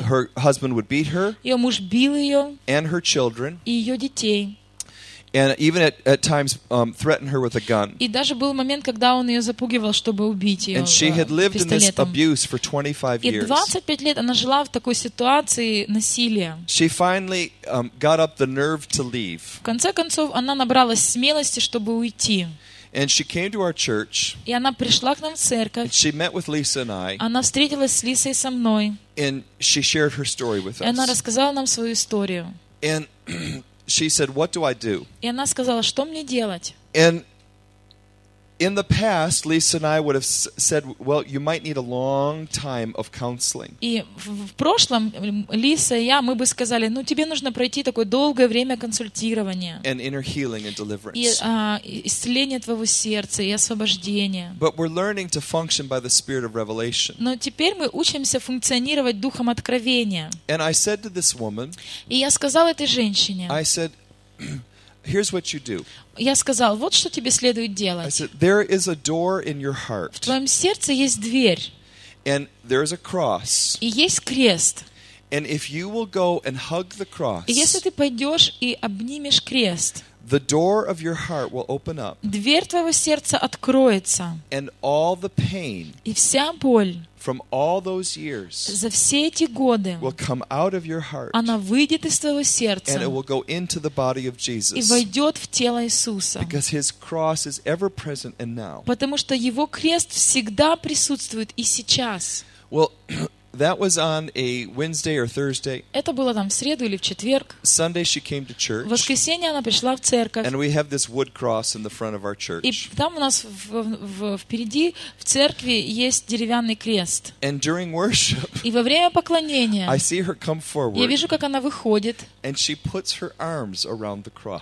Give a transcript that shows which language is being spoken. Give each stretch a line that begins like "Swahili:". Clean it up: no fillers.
English: Her husband would beat her.
Russian: Ее муж бил ее.
English: And her children.
Russian: И ее детей.
English: And even at times threatened her with a gun.
Russian: И даже был момент, когда он ее запугивал, чтобы убить ее.
English: And she had lived
Russian: пистолетом.
English: In this abuse for 25 years.
Russian: И 25 лет она жила в такой ситуации насилия.
English: She finally got up the nerve to leave.
Russian: В конце концов она набралась смелости, чтобы уйти.
English: And she came to our church.
Russian: И она пришла к нам в церковь.
English: And she met with Lisa and I.
Russian: Она встретилась с Лисой и со мной.
English: And she shared her story with us.
Russian: И она рассказала нам свою историю.
English: And she said, "What do I do?"
Russian: И она сказала, что мне делать?
English: And in the past, Lisa and I would have said, "Well, you might need a long time of counseling."
Russian: И в прошлом Лиса и я мы бы сказали, тебе нужно пройти такое долгое время консультирования.
English: And inner healing and deliverance.
Russian: И исцеление твоего сердца и освобождение.
English: But we're learning to function by the Spirit of Revelation.
Russian: Но теперь мы учимся функционировать духом откровения.
English: And I said to this woman.
Russian: И я сказал этой женщине.
English: I said, "Here's what you do."
Russian: Я сказал, вот что тебе следует делать.
English: I said, "There is a door in your heart."
Russian: В твоем сердце есть дверь.
English: And there is a cross.
Russian: И есть крест.
English: And if you will go and hug the cross.
Russian: И если ты пойдешь и обнимешь крест.
English: The door of your heart will open up.
Russian: Дверь твоего сердца откроется.
English: And all the pain.
Russian: И вся боль.
English: From all those years.
Russian: За все эти годы.
English: Will come out of your heart.
Russian: Она выйдет из твоего сердца.
English: And it will go into the body of Jesus.
Russian: И войдет в тело Иисуса.
English: Because his cross is ever present and now.
Russian: Потому что его крест всегда присутствует и сейчас.
English: Well, that was on a Wednesday or Thursday.
Russian: Это было там в среду или в четверг.
English: Sunday she came to church.
Russian: В воскресенье она пришла в церковь.
English: And we have this wood cross in the front of our church.
Russian: И там у нас впереди в церкви есть деревянный крест.
English: And during worship.
Russian: И во время поклонения.
English: I see her come forward.
Russian: Я вижу, как она выходит.
English: And she puts her arms around the cross.